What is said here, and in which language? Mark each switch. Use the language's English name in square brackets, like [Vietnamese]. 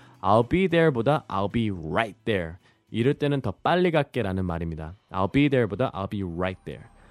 [English] I'll be there 보다 I'll be right there. [Korean] 이럴 때는 더 빨리 갈게 라는 말입니다. [English] I'll be there 보다 I'll be right there.